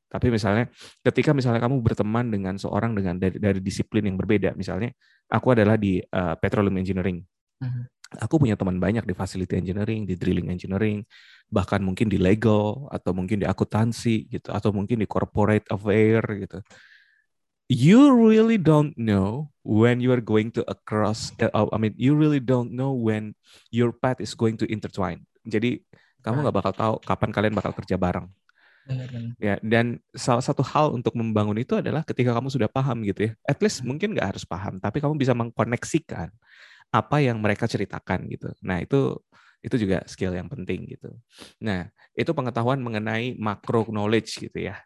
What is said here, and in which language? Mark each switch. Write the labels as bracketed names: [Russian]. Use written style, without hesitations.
[Indonesian] Tapi misalnya ketika misalnya kamu berteman dengan seorang dengan dari disiplin yang berbeda, misalnya aku adalah di petroleum engineering, aku punya teman banyak di facility engineering, di drilling engineering, bahkan mungkin di legal atau mungkin di akuntansi gitu, atau mungkin di corporate affair gitu. [English] You really don't know when you are going to across. I mean, you really don't know when your path is going to intertwine. [Indonesian] Jadi kamu nggak bakal tahu kapan kalian bakal kerja bareng. Benar-benar. Ya, dan salah satu hal untuk membangun itu adalah ketika kamu sudah paham gitu ya. At least mungkin nggak harus paham, tapi kamu bisa mengkoneksikan apa yang mereka ceritakan gitu. Nah itu juga skill yang penting gitu. Nah, itu pengetahuan mengenai macro knowledge gitu ya.